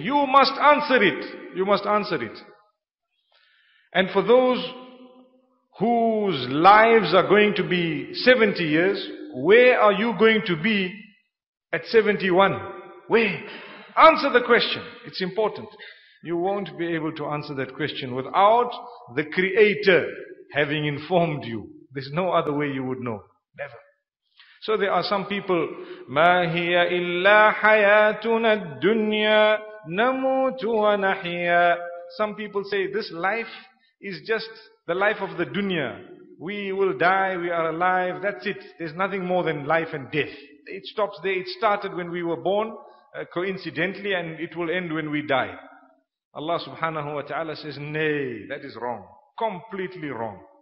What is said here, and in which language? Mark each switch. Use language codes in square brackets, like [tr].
[en] You must answer it. You must answer it. And for those whose lives are going to be 70 years, where are you going to be at 71? Where? Answer the question. It's important. You won't be able to answer that question without the Creator having informed you. There's no other way you would know. Never. So there are some people, [ar] مَا هِيَ إِلَّا حَيَاتُنَا الدُّنْيَا نَمُوتُ وَنَحْيَا. [en] Some people say, this life is just the life of the dunya. We will die, we are alive, that's it. There's nothing more than life and death. It stops there. It started when we were born, coincidentally, and it will end when we die. Allah subhanahu wa ta'ala says, nay, that is wrong, completely wrong.